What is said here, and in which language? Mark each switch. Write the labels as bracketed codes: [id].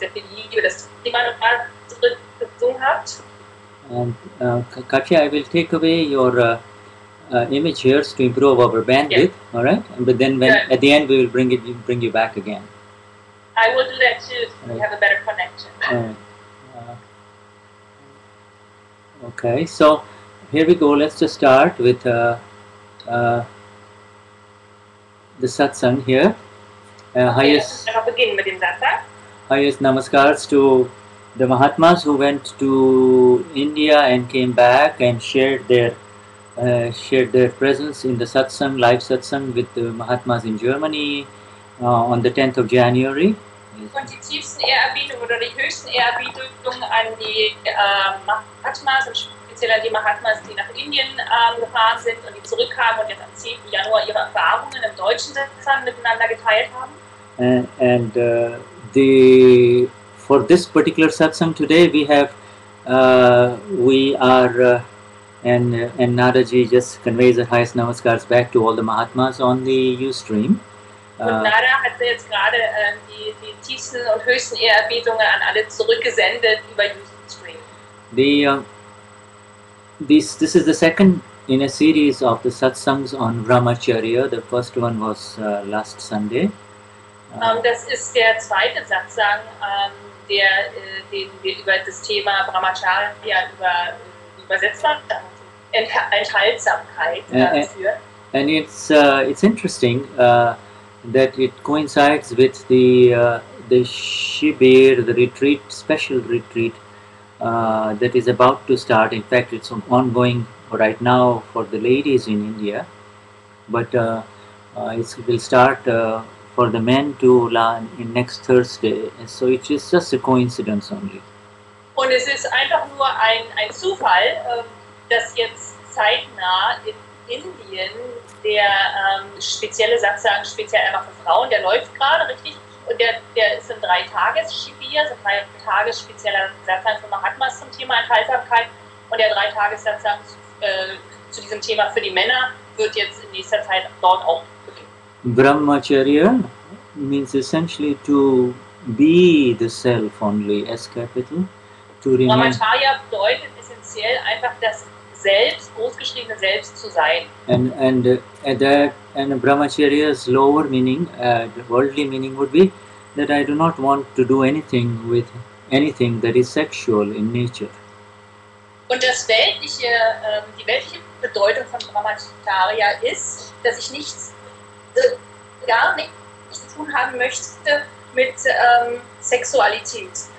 [de] der Liebe das Thema noch mal zu tun habt. [en] Katja, I will take away your image here to improve our bandwidth. Yeah. All right, but then when at the end we will bring you back again. I will do that too, so we have a better connection. Okay, so here we go. Let's just start with the satsang here. Highest namaskars to the Mahatmas who went to India and came back and shared their presence in the satsang, live satsang with the Mahatmas in Germany on the 10th of January. [de] Und die tiefsten Ehrerbietungen oder die höchsten Ehrerbietungen an die Mahatmas und speziell an die Mahatmas, die nach Indien gefahren sind und die zurückkamen und jetzt am 10. Januar ihre Erfahrungen im deutschen Satsang miteinander geteilt haben. [en] For this particular Satsang today, and Naraji just conveys the highest namaskars back to all the Mahatmas on the Ustream. [de] Nara hat jetzt gerade die tiefsten und höchsten Ehrerbietungen an alle zurückgesendet über Ustream. [en] This is the second in a series of the satsangs on Brahmacharya. The first one was last Sunday. [de] Das ist der zweite Satsang, den wir über das Thema Brahmacharya übersetzt haben, Enthaltsamkeit dafür. [en] And it's interesting that it coincides with the Shibir, the retreat, special retreat that is about to start. In fact, it's ongoing right now for the ladies in India, but it will start for the men too in next Thursday. And so it is just a coincidence only. [de] Und es ist einfach nur ein Zufall, dass jetzt zeitnah in Indien der spezielle Satsang, speziell einfach für Frauen, der läuft gerade, richtig? Und der ist ein 3-Tages-Shibir, so 3 Tage spezieller Satsang für Mahatmas zum Thema Enthaltsamkeit. Und der 3-Tages-Satsang zu diesem Thema für die Männer wird jetzt in nächster Zeit dort auch beginnen. [en] Brahmacharya means essentially to be the self only, as capital. [de] Brahmacharya bedeutet essentiell einfach das Selbst, großgeschriebene Selbst zu sein. [en] And Brahmacharya's lower meaning, the worldly meaning would be that I do not want to do anything with anything that is sexual in nature. [de] Und das weltliche, die weltliche Bedeutung von Brahmacharya ist, dass ich nichts, gar nichts zu tun haben möchte mit Sexualität.